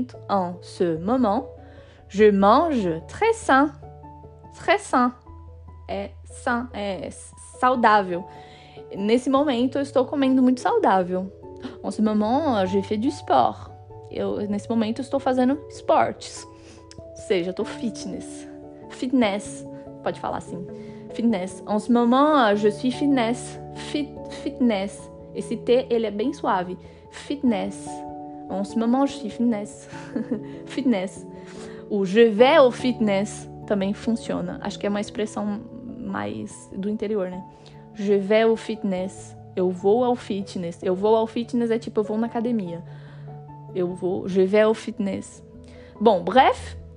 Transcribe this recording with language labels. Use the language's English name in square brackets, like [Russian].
[French] En ce moment, je mange très sain. Très sain. [Portuguese] É sain, é saudável. Nesse momento, eu estou comendo muito saudável. [French] En ce moment, j'ai fait du sport. [Portuguese] Nesse momento, eu estou fazendo esportes. Ou seja, estou fitness. Fitness. Pode falar assim. Fitness. [French] En ce moment, je suis fitness. Fitness. [Portuguese] Esse T, ele é bem suave. Fitness. [French] En ce moment, je suis fitness. [English] Fitness. [Portuguese] O [French] je vais au fitness [Portuguese] também funciona. Acho que é uma expressão mais do interior, né? [French] Je vais au fitness. [Portuguese] Eu vou ao fitness. Eu vou ao fitness é tipo, eu vou na academia. Eu vou... [French] Je vais au fitness. [Portuguese] Bom, bref.